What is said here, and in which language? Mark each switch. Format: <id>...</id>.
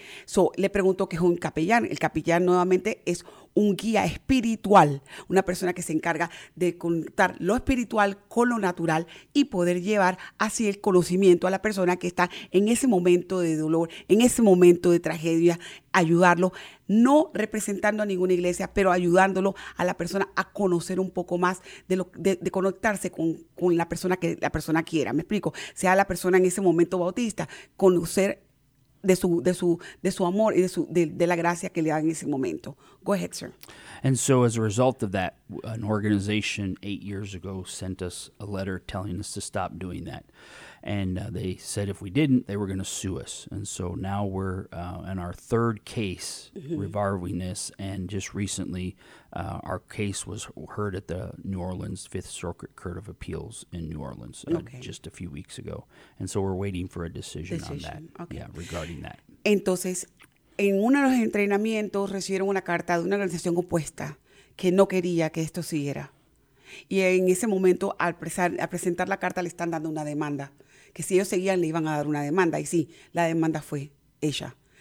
<es>So, le pregunto qué es un capellán. El capellán nuevamente es un guía espiritual, una persona que se encarga de contar lo espiritual con lo natural y poder llevar así el conocimiento a la persona que está en ese momento de dolor, en ese momento de tragedia, ayudarlo, no representando a ninguna iglesia, pero ayudándolo a la persona a conocer un poco más de conectarse con la persona que la persona quiera. ¿Me explico? Sea la persona en ese momento bautista, conocer de su amor y de la gracia que le dan en ese momento.</es> <en>Go ahead, sir. And so as a result of that, an organization 8 years ago sent us a letter telling us to stop doing that. And they said if we didn't, they were going to sue us. And so now we're in our third case, mm-hmm. reviving this. And just recently, our case was heard at the New Orleans Fifth Circuit Court of Appeals in New Orleans just a few weeks ago. And so we're waiting for a decision. On that. Okay. Yeah, regarding that.</en> <es>Entonces, en uno de los entrenamientos recibieron una carta de una organización opuesta que no quería que esto siguiera. Y en ese momento, al presentar la carta, le están dando una demanda. Que si ellos seguían, le iban a dar una demanda. Y sí, la demanda fue ella.</es>